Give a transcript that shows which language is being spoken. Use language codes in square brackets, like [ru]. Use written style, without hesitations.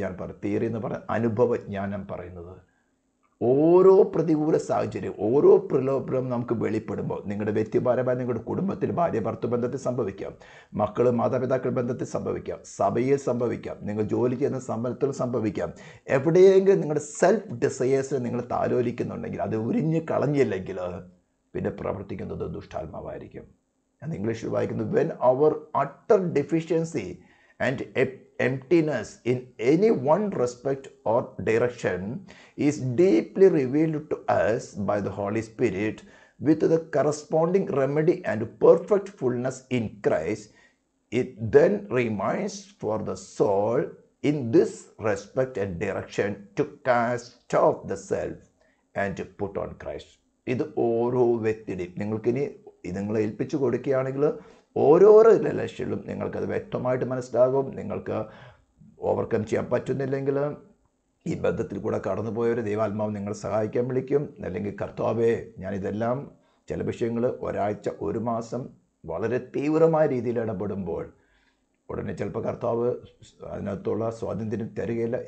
[ml] ഞാൻ പറ തിയറി എന്ന് പറഞ്ഞ അനുഭവജ്ഞാനം പറയുന്നത്, ഓരോ പ്രതികൂല സാഹചര്യം, ഓരോ പ്രലോഭനം നമുക്ക് വെളിപ്പെടുമ്പോൾ നിങ്ങളുടെ വ്യക്തിപരമായി നിങ്ങളുടെ കുടുംബത്തിൽ ഭാര്യ ഭർത്തൃ ബന്ധത്തിൽ സംഭവിക്കാം, മക്കൾ മാതാപിതാക്കൾ ബന്ധത്തിൽ സംഭവിക്കാം, സഭയിൽ സംഭവിക്കാം, നിങ്ങൾ ജോലി ചെയ്യുന്ന സമ്പലത്തിൽ സംഭവിക്കാം, എവിടെയെങ്കിലും നിങ്ങളുടെ സെൽഫ് ഡിസയേഴ്സിനെ നിങ്ങൾ താലോലിക്കുന്നുണ്ടെങ്കിൽ, അത് ഉരിഞ്ഞു കളഞ്ഞില്ലെങ്കിൽ പിന്നെ പ്രവർത്തിക്കുന്നത് ദുഷ്ടാത്മാവായിരിക്കും. ഞാൻ ഇംഗ്ലീഷിൽ വായിക്കുന്നു, [en] When our utter deficiency and emptiness in any one respect or direction is deeply revealed to us by the Holy Spirit with the corresponding remedy and perfect fullness in Christ, it then remains for the soul in this respect and direction to cast off the self and to put on Christ. [ml] ഇത് ഓരോ വ്യക്തിയുടെയും, നിങ്ങൾക്കിനി ഇത് നിങ്ങൾ ഏൽപ്പിച്ചു കൊടുക്കുകയാണെങ്കിൽ ഓരോരോ ലക്ഷ്യങ്ങളും നിങ്ങൾക്കത് വ്യക്തമായിട്ട് മനസ്സിലാകും. നിങ്ങൾക്ക് ഓവർകം ചെയ്യാൻ പറ്റുന്നില്ലെങ്കിൽ ഈ ബന്ധത്തിൽ കൂടെ കടന്നുപോയവർ ദൈവാത്മാവ് നിങ്ങളെ സഹായിക്കാൻ വിളിക്കും. അല്ലെങ്കിൽ കർത്താവേ, ഞാനിതെല്ലാം ചില വിഷയങ്ങൾ ഒരാഴ്ച ഒരു മാസം വളരെ തീവ്രമായ രീതിയിൽ ഇടപെടുമ്പോൾ ഉടനെ ചിലപ്പോൾ കർത്താവ് അതിനകത്തുള്ള സ്വാതന്ത്ര്യം തരികയില്ല.